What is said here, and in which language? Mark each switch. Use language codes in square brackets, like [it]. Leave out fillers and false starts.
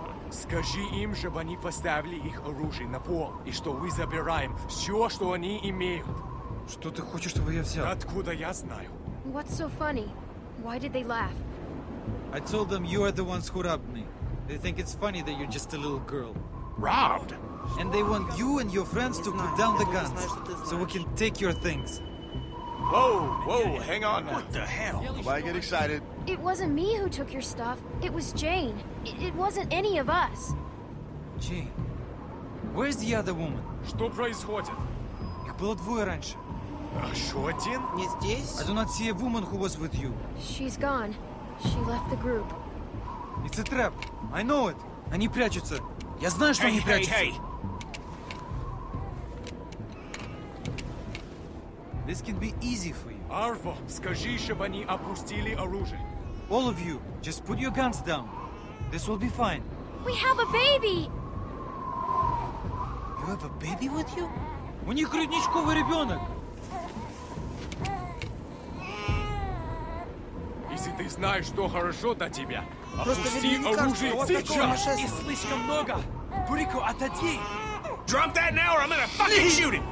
[ru] Скажи им, чтобы они поставили их оружие на пол, и что мы забираем все, что они имеют. Что ты хочешь, чтобы я взял? Откуда я знаю? [en] What's so funny? Why did they laugh? I told them you are the ones who robbed me. They think it's funny that you're just a little girl. Robbed? And they want you and your friends to put down the guns, so we can take your things. Whoa, hang on now. What the hell? Why get excited? It wasn't me who took your stuff. It was Jane. It wasn't any of us. Jane, where's the other woman? [ru] Что происходит? Их было двое раньше. Еще один? Не здесь. [en] I do not see a woman who was with you. She's gone. She left the group. It's a trap. I know it. [ru] Они прячутся. Я знаю, что они прячутся. [en] Hey. This can be easy for you. Arvo, скажи, чтобы они опустили оружие. All of you, just put your guns down. This will be fine. We have a baby! You have a baby with you? [ru] У них грудничковый ребенок! Если ты знаешь, что хорошо для тебя, опусти оружие сейчас! И слишком много! Бурико, отойди! [en] Drop that now or I'm gonna fucking shoot it!